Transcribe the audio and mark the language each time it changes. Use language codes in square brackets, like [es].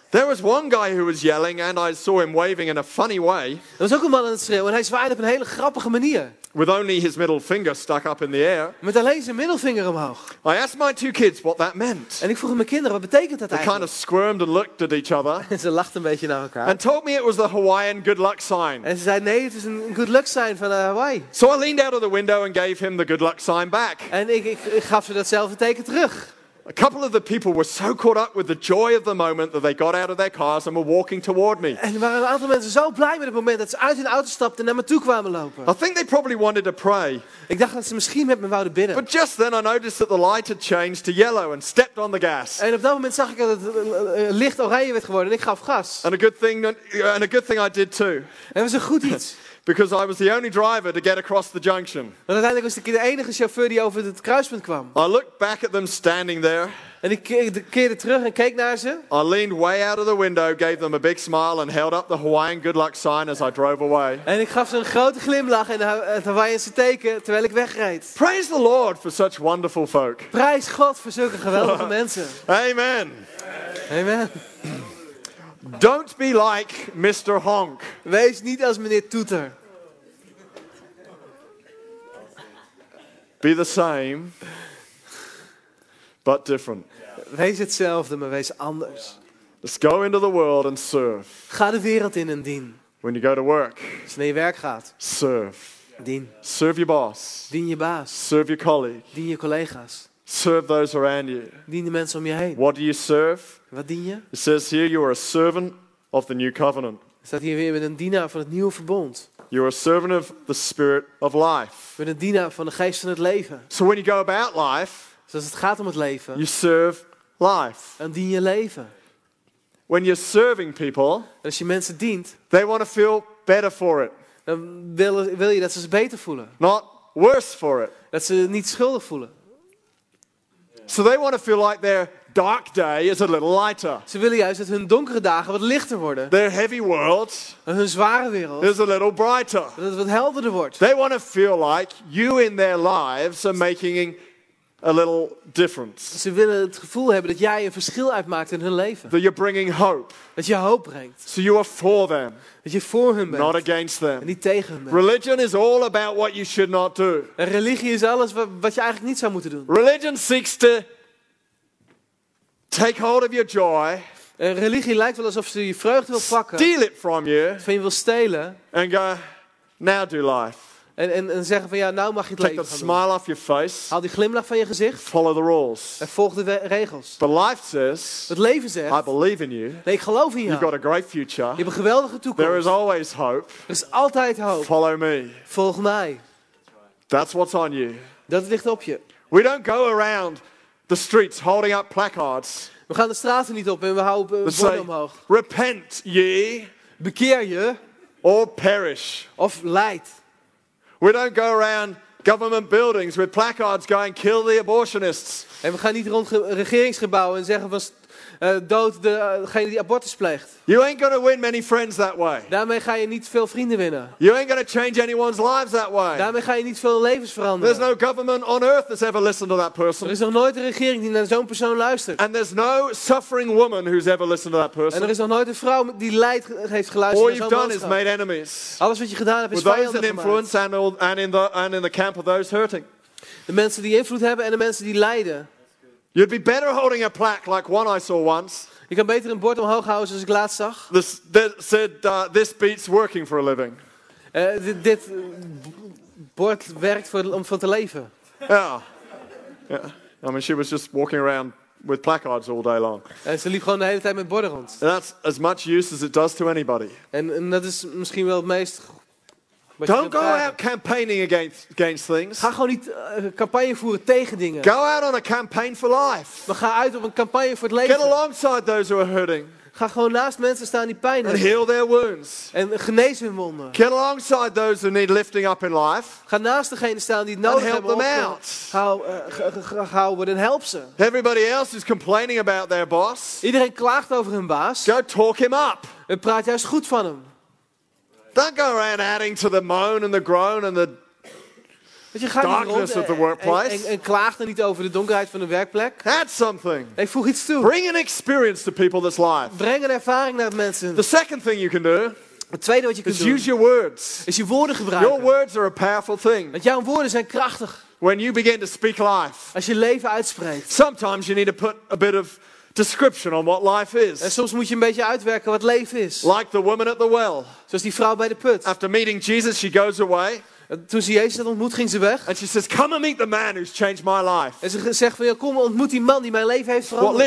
[en] There was one guy who was yelling and I saw him waving in a funny way. [nl] Er was ook een man aan het schreeuwen en hij zwaaide op een hele grappige manier. [en] With only his middle finger stuck up in the air. [nl] Met alleen zijn middelvinger omhoog. [en] I asked my two kids what that meant. [nl] En ik vroeg mijn kinderen, wat betekent dat eigenlijk? [en] They kind of squirmed and looked at each other. [nl] En ze lachten een beetje naar elkaar. [en] And told me it was the Hawaiian good luck sign. [nl] En ze zei, nee, het is een [en] good luck sign [nl] van Hawaii. [en] So I leaned out of the window and gave him the good luck sign back. [nl] En ik gaf ze datzelfde teken terug. [en] A couple of the people were so caught up with the joy of the moment that they got out of their cars and were walking toward me. [nl] En waren een aantal mensen zo blij met het moment dat ze uit hun auto stapten en naar me toe kwamen lopen. [en] I think they probably wanted to pray. [nl] Ik dacht dat ze misschien met me wouden bidden. [en] But just then I noticed that the light had changed to yellow and stepped on the gas. [nl] En op dat moment zag ik dat het licht oranje werd geworden en ik gaf gas. [en] And a good thing I did too. [nl] En het was een goed iets. [en] Because I was the only driver to get across the junction. [nl] Want uiteindelijk was ik de enige chauffeur die over het kruispunt kwam. [en] I looked back at them standing there. [nl] En ik keerde terug en keek naar ze. [en] I leaned way out of the window, gave them a big smile and held up the Hawaiian good luck sign as I drove away. [nl] En ik gaf ze een grote glimlach en het Hawaïense teken terwijl ik wegreed. [en] Praise the Lord for such wonderful folk. [nl] Prijs God voor zulke geweldige mensen. [en] Amen. [nl] Amen. [en] Don't be like Mr. Honk. [nl] Wees niet als meneer Toeter. [en] Be the same, but different. [nl] Wees hetzelfde, maar wees anders. [en] Let's go into the world and serve. [nl] Ga de wereld in en dien. [en] When you go to work. [nl] Als je naar je werk gaat. [en] Serve. [nl] Dien. [en] Serve your boss. [nl] Dien je baas. [en] Serve your colleague. [nl] Dien je collega's. [en] Serve those around you. [nl] Dien de mensen om je heen. [en] What do you serve? [nl] Wat dien je? [en] It says here you are a servant of the new covenant. [nl] Staat hier weer met een dienaar van het nieuwe verbond. [en] You are a servant of the spirit of life. [nl] Je bent een dienaar van de geest van het leven. [en] So when you go about life. [nl] Dus als het gaat om het leven. [en] You serve life. [nl] Dan dien je leven. [en] When you're serving people. [nl] En als je mensen dient. [en] They want to feel better for it. [nl] Dan wil je dat ze beter voelen. [en] Not worse for it. [nl] Dat ze niet schuldig voelen. [en] So they want to feel like their dark day is a little lighter. [nl] Ze willen juist dat hun donkere dagen wat lichter worden. [en] Their heavy world. [nl] En hun zware wereld. [en] Is a little brighter. [nl] Dat het wat helderder wordt. [en] They want to feel like you in their lives are making a little difference. [nl] Ze willen het gevoel hebben dat jij een verschil uitmaakt in hun leven. [en] That you're bringing hope. [nl] Dat je hoop brengt. [en] So you are for them. [nl] Dat je voor hen bent. [en] Not against them. [nl] En niet tegen hen bent. [en] Religion is all about what you should not do. [nl] En religie is alles wat je eigenlijk niet zou moeten doen. [en] Religion seeks to take hold of your joy. [nl] En religie lijkt wel alsof ze je vreugde wil pakken. [en] Steal it from you. [nl] Van je wil stelen. [en] And go, now do life. [nl] En zeggen van ja, nou mag je het [en] take [nl] leven [en] the smile [nl] doen. [en] Off your face. [nl] Haal die glimlach van je gezicht. [en] Follow the rules. [nl] En volg de regels. [en] But life says, [nl] het leven zegt. [en] I believe in you. [nl] Nee, ik geloof in jou. [en] You've got a great future. [nl] Je hebt een geweldige toekomst. [en] There is always hope. [nl] Er is altijd hoop. [en] Follow me. [nl] Volg mij. [en] That's what's on you. [nl] Dat ligt op je. [en] We don't go around the streets holding up placards. [nl] We gaan de straten niet op en we houden borden omhoog. [en] Repent ye. [nl] Bekeer je. [en] Or perish. [nl] Of leid. [en] We don't go around government buildings with placards going kill the abortionists. [nl] En we gaan niet rond regeringsgebouwen en zeggen van dood degene die abortus pleegt. [en] You ain't gonna win many friends that way. [nl] Daarmee ga je niet veel vrienden winnen. [en] You ain't gonna change anyone's lives that way. [nl] Daarmee ga je niet veel levens veranderen. [en] There's no government on earth that's ever listened to that person. [nl] Er is nog nooit een regering die naar zo'n persoon luistert. [en] And there's no suffering woman who's ever listened to that person. [nl] En er is nog nooit een vrouw die lijdt heeft geluisterd [en] all [nl] naar zo'n persoon. [en] All you've done is made enemies. [nl] Alles wat je gedaan hebt is [en] with [nl] vijanden [en] those in influence [nl] gemaakt. [en] And in the camp of those hurting. [nl] De mensen die invloed hebben en de mensen die lijden. [en] You'd be better holding a plaque like one I saw once. [nl] Je kan beter een bord omhoog houden zoals ik laatst zag. [en] This said this beats working for a living. [nl] Dit bord werkt om van te leven. [en] Yeah. I mean, she was just walking around with placards all day long. [nl] En ze liep gewoon de hele tijd met borden rond. [en] And that's as much use as it does to anybody. [nl] En dat is misschien wel het meest. [en] Don't go out campaigning against things. [nl] Ga gewoon niet campagne voeren tegen dingen. [en] Go out on a campaign for life. [nl] Maar ga uit op een campagne voor het leven. [en] Get alongside those who are hurting. [nl] Ga gewoon naast mensen staan die pijn hebben. [en] And heal their wounds. [nl] En genees hun wonden. [en] Get alongside those who need lifting up in life. [nl] Ga naast degene staan die het nodig hebben. [en] And help them out. [nl] Houden en help ze. [en] Everybody else is complaining about their boss. [nl] Iedereen klaagt over hun baas. [en] Go talk him up. [nl] En praat juist goed van hem. [en] Don't go around adding to the moan and the groan and the darkness of the workplace. [nl] En klaag dan niet over de donkerheid van de werkplek. [en] Add something. [nl] Nee, voeg iets toe. [en] Bring an experience to people that's life. [nl] Breng een ervaring naar mensen. [en] The second thing you can do. [nl] Het tweede wat je kunt doen. [en] Use your words. [nl] Is je woorden gebruiken. [en] Your words are a powerful thing. [nl] Want jouw woorden zijn krachtig. [en] When you begin to speak life. [nl] Als je leven uitspreekt. [en] Sometimes you need to put a bit of description on what life is. [nl] En soms moet je een beetje uitwerken wat leven is. [en] Like the woman at the well. [nl] Zoals die vrouw bij de put. [en] After meeting Jesus, she goes away. [nl] Toen ze Jezus had ontmoet, ging ze weg. [en] And she says, "Come and meet the man who's changed my life." [nl] En ze zegt van, ja, kom, ontmoet die man die mijn leven heeft veranderd.